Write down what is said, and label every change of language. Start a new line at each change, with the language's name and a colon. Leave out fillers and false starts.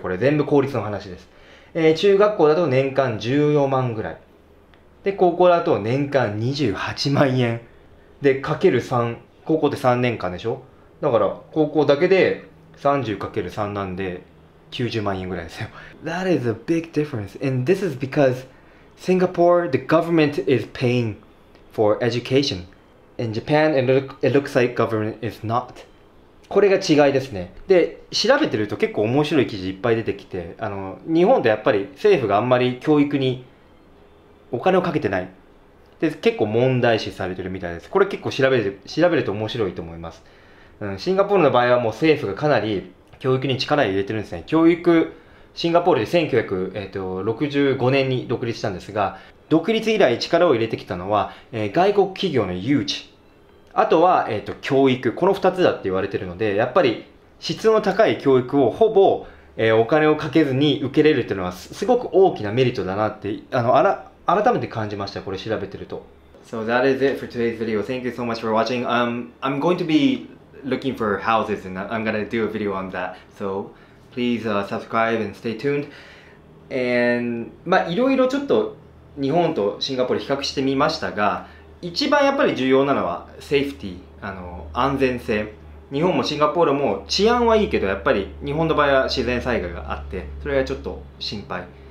Japanese: これ全部公立の話です。中学校だと年間14万ぐらい。で、高校だと年間28万円。で、かける3。高校って3年間でしょ?だから高校だけで30×3 なんで90万円ぐらいですよ。
English: That is a big difference. And this is because Singapore, the government is paying for education. In Japan, it looks like government is not.
Japanese: これが違いですね。で、調べてると結構面白い記事いっぱい出てきて、日本でやっぱり政府があんまり教育にお金をかけてない。で、結構問題視されてるみたいです。これ結構調べると面白いと思います。シンガポールの場合はもう政府がかなり教育に力を入れてるんですね。教育、シンガポールで1965年に独立したんですが、独立以来力を入れてきたのは、外国企業の誘致、あとは、教育、この2つだって言われてるので、やっぱり質の高い教育をほぼ、お金をかけずに受けれるっていうのはすごく大きなメリットだなって、改めて感じました、これ調べてると。
English: So that is it for today's video. Thank you so much for watching. I'm going to be looking for houses and I'm going to do a video on that. So please subscribe and stay tuned.
Japanese: And まあ、いろいろちょっと日本とシンガポール比較してみましたが、一番やっぱり重要なのはセーフティー、あの安全性。日本もシンガポールも治安はいいけど、やっぱり日本の場合は自然災害があって、それはちょっと心配。